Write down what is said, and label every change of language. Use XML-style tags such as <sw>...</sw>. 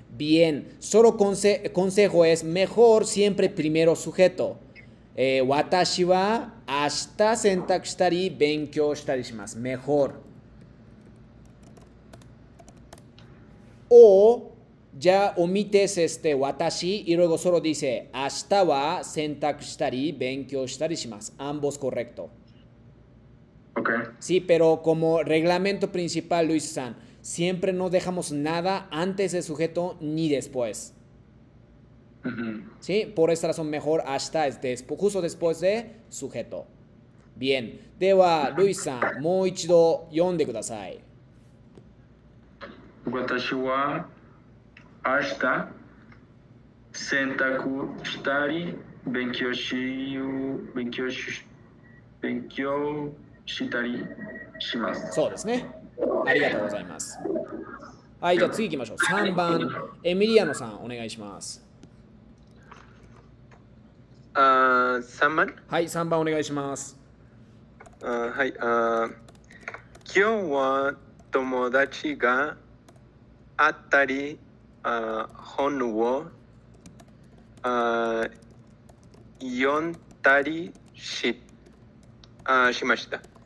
<es>Bien、solo consejo es mejor siempre primero sujeto、</es> <ja>私は明日選択したり勉強したりします。</ja> <es>Mejor。 O ya omites este 私 y luego solo dice</es> <ja>明日は選択したり勉強したりします。</ja> <es>Ambos correcto。 Okay. Sí, pero como reglamento principal, Luis-san, siempre no dejamos nada antes del sujeto ni después. Uh-huh. Sí, por esta razón mejor hasta es después, justo después de sujeto. Bien. Deba, Luis-san, muy chido,</es> <ja>yonde kudasai. Watashi wa hasta sentaku shitari benkyou したりします。そうですね、ありがとうございます。はい、じゃあ次行きましょう。3番エミリアノさんお願いします。 3番、はい、3番お願いします。はい、今日は友達が会ったり、本を読んだり しました。</ja>